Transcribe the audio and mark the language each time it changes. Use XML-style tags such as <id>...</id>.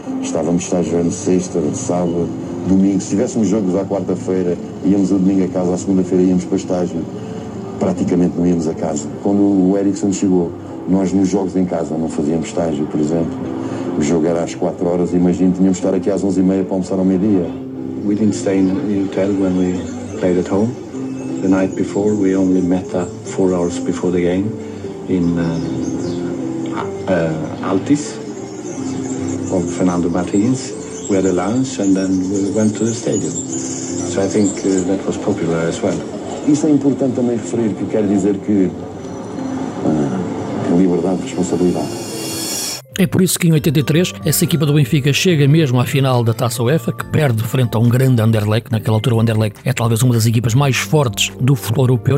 <pt>Estávamos estágio sexta, sábado, domingo. Se tivéssemos jogos à quarta-feira, íamos ao domingo a casa, à segunda-feira íamos para estágio. Praticamente não íamos a casa. Quando o Eriksen chegou, nós nos jogos em casa não fazíamos estágio, por exemplo. O jogo era às 4 horas, imagino, tínhamos de estar aqui às 11h30 para almoçar ao meio-dia.</pt> <en>We didn't stay in the hotel when we played at home. The night before, we only met up 4 hours before the game in Altis. Of Fernando Martins, we had a lunch and then we went to the stadium. So I think that was popular as well.</en> <pt>Isso é importante também referir, que quer dizer que liberdade, responsabilidade. É por isso que em 83 essa equipa do Benfica chega mesmo à final da Taça UEFA, que perde frente a um grande Anderlecht. Naquela altura o Anderlecht é talvez uma das equipas mais fortes do futebol europeu.</pt>